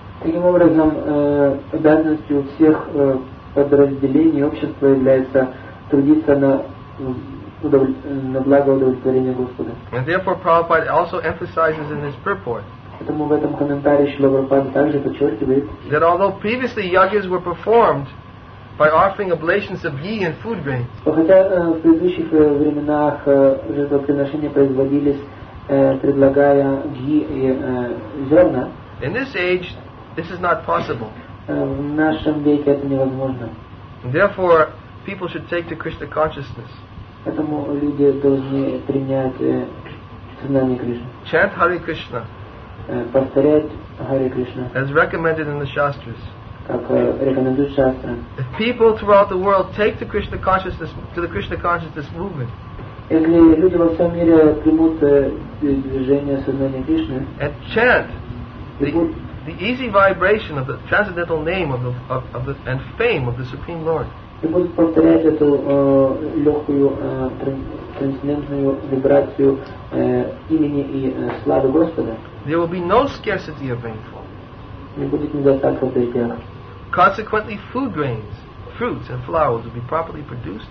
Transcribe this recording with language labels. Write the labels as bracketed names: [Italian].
[Russian] Таким образом, обязанностью всех подразделений общества является трудиться на благо удовлетворения Господа. [English] And therefore, Prabhupada also emphasizes in his purport. [Russian] Поэтому в этом комментарии Шрила Прабхупада также подчеркивает, [English] that although previously yagyas were performed by offering oblations of ghee and food grain. [Russian] Хотя в предыдущих временах жертвоприношения производились, предлагая ги и зерна. [English] In this age, this is not possible. [Russian] В нашем веке это невозможно. [English] Therefore, people should take to Krishna consciousness. [Russian] Поэтому люди должны принять сознание Кришны. [English] Chant Hare Krishna. [Russian] Повторять Hare Krishna. [English] As recommended in the Shastras. [Russian] Как рекомендуют шастры. [English] If people throughout the world take to Krishna consciousness, to the Krishna consciousness movement. [Russian] Если люди во всем мире примут движение сознания Кришны. [English] And chant. The easy vibration of the transcendental name of the and fame of the Supreme Lord. [Russian] И будут повторять эту легкую трансцендентную вибрацию имени и славы Господа. [English] There will be no scarcity of rainfall. [Russian] Не будет недостатка дождя. [English] Consequently, food grains, fruits, and flowers will be properly produced.